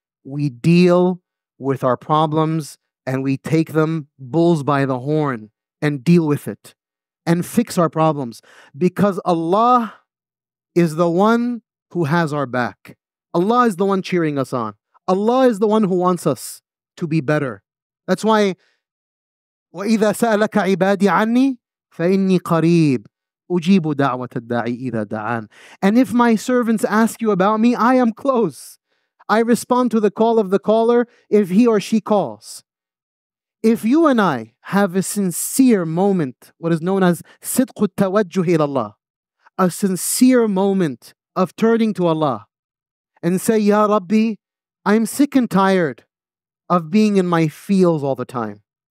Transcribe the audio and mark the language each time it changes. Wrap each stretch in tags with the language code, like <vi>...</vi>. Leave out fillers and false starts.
<en>We deal with our problems and we take them bulls by the horn and deal with it and fix our problems, because Allah is the one who has our back. Allah is the one cheering us on. Allah is the one who wants us to be better. That's why,</en> <ar>وَإِذَا سَأَلَكَ عِبَادِي عَنِّي فَإِنِّي قَرِيبٌ أُجِيبُ دَعْوَةَ الدَّاعِ إِذَا دَعَانِ.</ar> <en>And if my servants ask you about me, I am close. I respond to the call of the caller if he or she calls. If you and I have a sincere moment, what is known as</en> <ar>صِدْقُ التَّوَجُّهِ إِلَى اللَّهِ,</ar> <en>a sincere moment of turning to Allah and say, Ya Rabbi, I'm sick and tired of being in my feels all the time.</en>